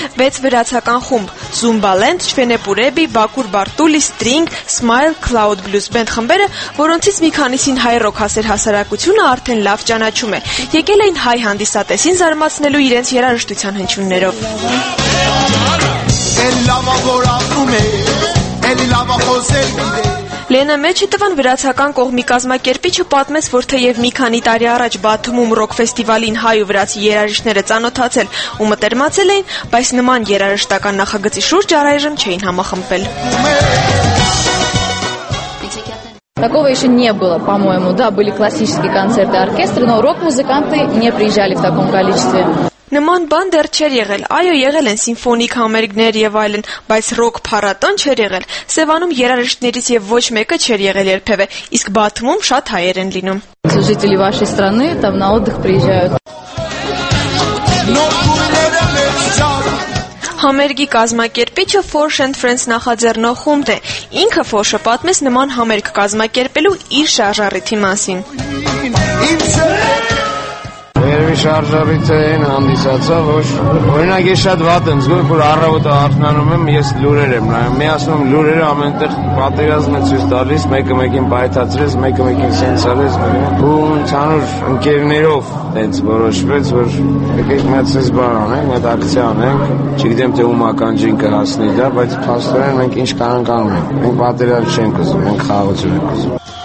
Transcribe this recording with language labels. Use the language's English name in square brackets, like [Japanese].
[Armenian] 6 վրացական խումբ՝ Zumba Land, Չվենեպուրեբի, Բակուր Բարտուլի, String, Smile, Cloud Blues Band խմբերը, որոնցից մի քանիսին հայ ռոք հասեր հասարակությունը արդեն լավ ճանաչում է, եկել էին հայ հանդիսատեսին զարմացնելու իրենց երաժշտության հնչյուններով։ Լենը մեջը տվան վրացական կողմի կազմակերպիչը պատմեց, որ թեև մի քանի տարի առաջ Բաթումում ռոք ֆեստիվալին հայ ու վրացի երաժիշտները ծանոթացել ու մտերմացել էին, բայց նման երաժշտական նախագծի շուրջ առայժմ չէին համախմբել։ [Russian] Такого еще не было, по-моему. Да, были классические концерты оркестра, но рок-музыканты не приезжали в таком количестве. [Armenian] Նման բան դեռ չեր եղել, այո եղել են սիմֆոնիկ համերգներ եւ այլն, բայց ռոք փառատոն չեր եղել։ Սևանում երաժիշտներից եւ ոչ մեկը չեր եղել երբեւե, իսկ Բաթումում շատ հայեր են լինում։ [Russian] Жители вашей страны там на отдых приезжают. [Armenian] Համերգի կազմակերպիչը Forsh & Friends նախաձեռնող խումբ է։ Ինքը Forsh-ը պատմեց նման համերգ կազմակերպելու իր շարժառիթի մասին։ Շարժառիթը այն հանդիսացա, որ օրինակ ես շատ վատ եմ զգում, որ առավոտը արթնանում եմ, ես լուրեր եմ նայում, միացնում լուրերը ամենտեղ պատերազմ է ցույց տալիս, մեկը մեկին պայթացրեց, մեկը մեկին սենսալես, ու ցանուր ընկերներով այնց որոշվեց, որ եկեք մեծս բան անենք, այդ ակցիա անենք, չգիտեմ թե ում ականջին կհասնի դա, բայց փաստորեն մենք ինչ կարող կանում ենք, մենք պատերազմ չենք ուզում, մենք խաղացում ենք ուզում։